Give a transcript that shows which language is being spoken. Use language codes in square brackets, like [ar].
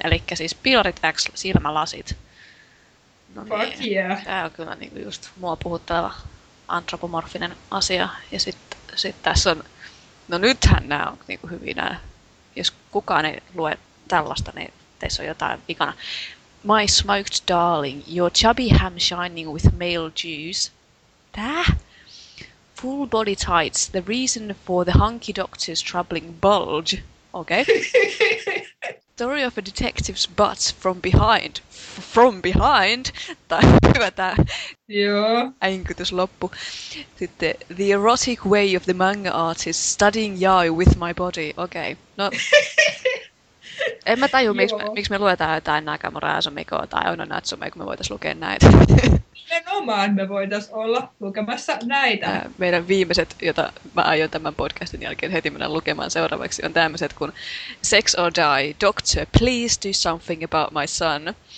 [fi] Eli siis pilarit X silmälasit. No fuck niin. Yeah. Tämä on kyllä niinku just mua puhuttava antropomorfinen asia. Ja sit tässä on, no nythän nämä on niinku hyvin. Jos kukaan ei lue tällaista, niin teissä on jotain vikana. [en] My smoked darling, your chubby ham shining with male juice. [fi] Täh? [en] Full body tights, the reason for the hunky doctor's troubling bulge. Okei. Okay. Story of a detective's butt from behind. From behind? [fi] Tää on hyvä tää. Joo. Änkytys loppu. Sitten [en] the erotic way of the manga artist studying yaoi with my body. [fi] Okei. [en] Okay. [fi] No. En mä tajua, miksi me luetaan jotain Nakamura Asumikoa tai Ono Natsumea, kun me voitais lukea näitä. Nimenomaan me voitais olla lukemassa näitä. Meidän viimeiset, joita mä aion tämän podcastin jälkeen heti mennä lukemaan seuraavaksi, on tämmöiset kuin Sex or Die, Doctor, Please Do Something About My Son.